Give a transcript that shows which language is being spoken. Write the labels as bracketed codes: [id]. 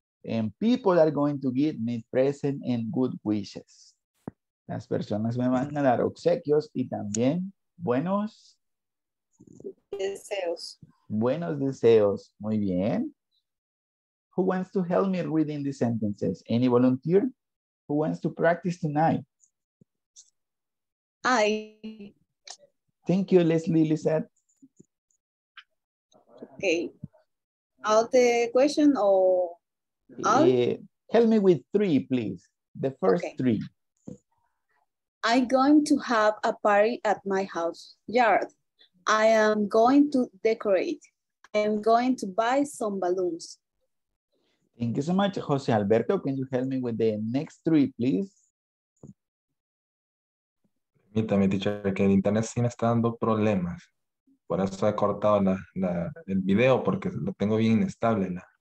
[en] And people are going to give me presents and good wishes. [es] Las personas me van a dar obsequios y también buenos deseos. Buenos deseos. Muy bien. [en] Who wants to help me reading the sentences? Any volunteer? Who wants to practice tonight? I. Thank you, Leslie Lizette. Okay. All the question or all? Help me with three, please. The first okay. Three. I'm going to have a party at my house yard. I am going to decorate. I'm going to buy some balloons. Thank you so much, Jose Alberto. Can you help me with the next three, please? [es] Permítame, teacher, que el internet sí me está dando problemas. Por eso he cortado el video, porque lo tengo bien inestable.